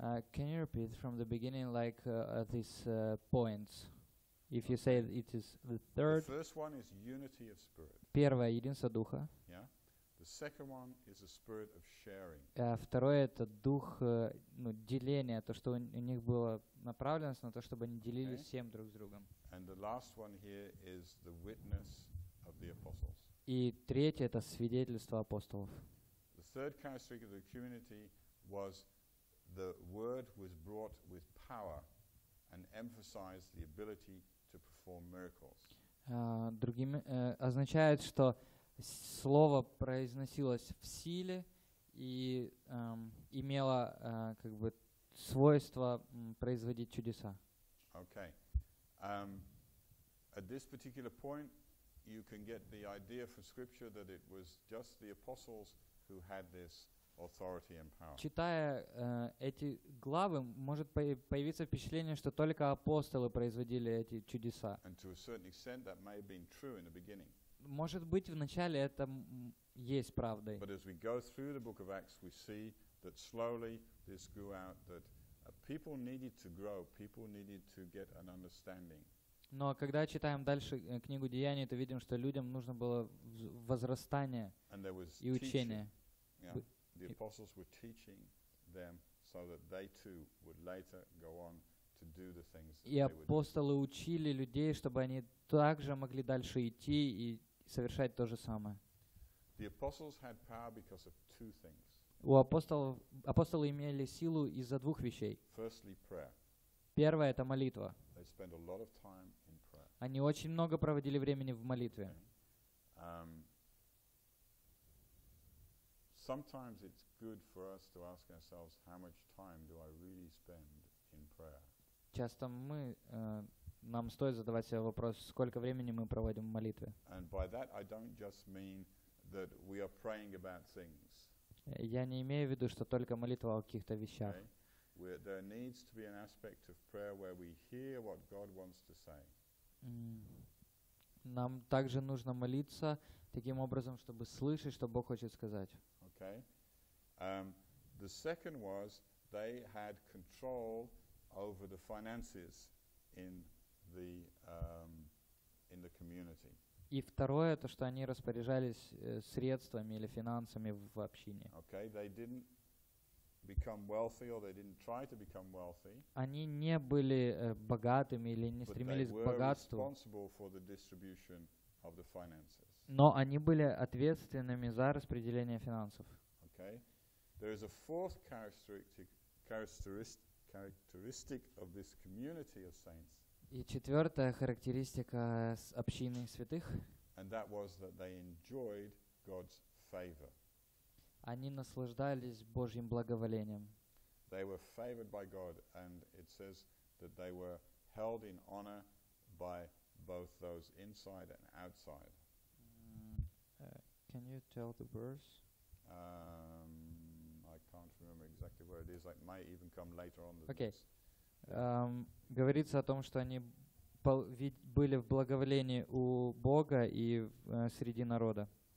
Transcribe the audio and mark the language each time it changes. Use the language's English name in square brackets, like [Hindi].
[English] Can you repeat from the beginning like these points? If you say it is the third. The first one is unity of spirit. [Russian] Первое — единство Духа. [English] Yeah. The second one is the spirit of sharing. [Russian] Второе — это дух ну, деления, то, что у них было направленность на то, чтобы они делились [English] okay. [Russian] всем друг с другом. [English] And the last one here is the witness of the apostles. [Russian] И третье — это свидетельство апостолов. [English] The third characteristic of the community was the word was brought with power and emphasized the ability to perform miracles. [Russian] Другими означает, что слово произносилось в силе и имело как бы свойство производить чудеса. [English] Okay. At this particular point, you can get the idea from Scripture that it was just the apostles who had this authority and power. [Russian] Читая эти главы, может появиться впечатление, что только апостолы производили эти чудеса. [English] And to a certain extent, that may have been true in the beginning. [Russian] Может быть, вначале это есть правдой. [English] But as we go through the book of Acts, we see that slowly this grew out, that people needed to grow, people needed to get an understanding. [Russian] Но когда читаем дальше книгу Деяний, то видим, что людям нужно было возрастание и учение. [English] The apostles were teaching them so that they too would later go on to do the things that they would do. [Russian] И апостолы учили людей, чтобы они также могли дальше идти и совершать то же самое. [English] The apostles had power because of two things. [Russian] У апостолы имели силу из-за двух вещей. [English] Firstly, prayer. [Russian] Первое — это молитва. [English] They spent a lot of time in prayer. [Russian] Они очень много проводили времени в молитве. [English] Sometimes it's good for us to ask ourselves, how much time do I really spend in prayer? [Russian] Часто мы нам стоит задавать себе вопрос, сколько времени мы проводим в молитве. [English] And by that I don't just mean that we are praying about things. [Russian] Я не имею в виду, что только молитва о каких-то вещах. [English] Okay. There needs to be an aspect of prayer where we hear what God wants to say. [Russian] Нам также нужно молиться таким образом, чтобы слышать, что Бог хочет сказать. [English] Okay. The second was they had control over the finances in the community. [Russian] И второе — это что они распоряжались средствами или финансами в общине. [English] Okay, they didn't become wealthy or they didn't try to become wealthy. [Russian] Они не были богатыми или не стремились к богатству. [English] But they were responsible for the distribution of the finances. [Russian] Но они были ответственными за распределение финансов. [English] Okay. There is a fourth characteristic of this community of saints. [Russian] И четвертая характеристика общины святых. [English] And that was that they enjoyed God's favor. [Russian] Они наслаждались Божьим благоволением. [English] They were favored by God, and it says that they were held in honor by both those inside and outside. Can you tell the verse? I can't remember exactly where it is. It might even come later on. Okay. [Russian] Говорится о том, что они были в благоволении у Бога и среди народа.